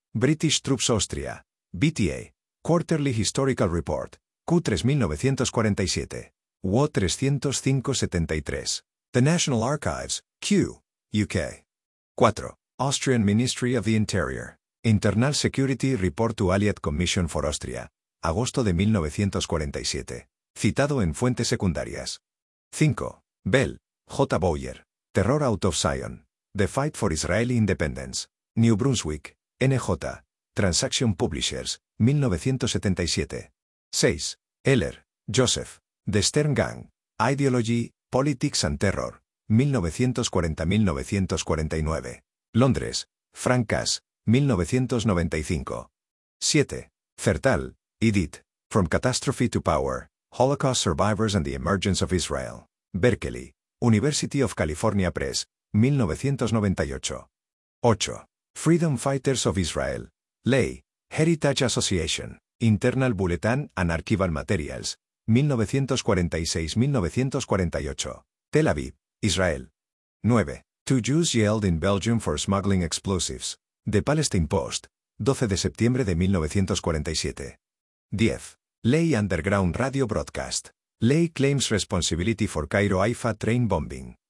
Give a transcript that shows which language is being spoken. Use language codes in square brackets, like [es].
[en] British Troops Austria. BTA. Quarterly Historical Report. Q3 1947. WO 305-73. The National Archives, Q, UK. 4. Austrian Ministry of the Interior. Internal Security Report to Allied Commission for Austria. [es] Agosto de 1947. Citado en fuentes secundarias. [en] 5. Bell, J. Bowyer. Terror Out of Zion. The Fight for Israeli Independence. New Brunswick, NJ. Transaction Publishers, 1977. 6. Eller, Joseph. The Stern Gang. Ideology, Politics and Terror. 1940-1949. Londres, Frank Cass, 1995. 7. Zertal, Edith. From Catastrophe to Power, Holocaust Survivors and the Emergence of Israel. Berkeley, University of California Press, 1998. 8. Freedom Fighters of Israel, Ley, Heritage Association, Internal Bulletin and Archival Materials, 1946-1948. Tel Aviv, Israel. 9. Two Jews jailed in Belgium for smuggling explosives. The Palestine Post, 12 [es] de septiembre de [en] 1947. 10. Ley Underground Radio Broadcast. Ley claims responsibility for Cairo Haifa train bombing.